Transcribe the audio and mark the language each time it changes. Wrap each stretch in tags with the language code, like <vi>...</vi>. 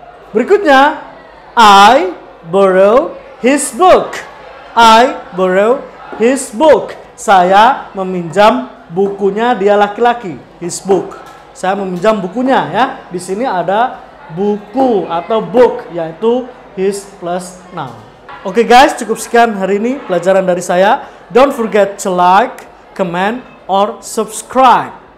<en>Berikutnya, I borrow his book. I borrow his book.</en> <id>Saya meminjam bukunya dia laki-laki. His book. Saya meminjam bukunya ya. Di sini ada buku atau book, yaitu his plus noun. Oke guys, cukup sekian hari ini pelajaran dari saya.</id> <en>Don't forget to like, comment, or subscribe.</en>